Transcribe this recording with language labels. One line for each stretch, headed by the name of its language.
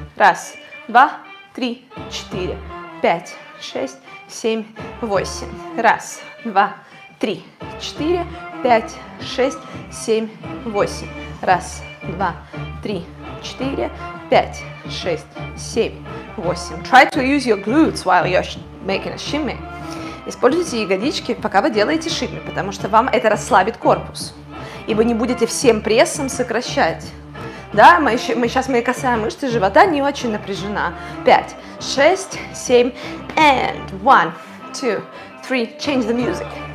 Russian: Раз, два, три, четыре, пять, шесть, семь, восемь. Раз, два, три, четыре, пять, шесть, семь, восемь. Раз, два, три, четыре, пять, шесть, семь, восемь.
English: Try to use your glutes while you're making a shimmy.
Russian: Используйте ягодички, пока вы делаете шимми, потому что вам это расслабит корпус. И вы не будете всем прессом сокращать. Да, мы сейчас косая мышца живота не очень напряжена.
English: Пять, шесть, семь, and one, two, three, change the music.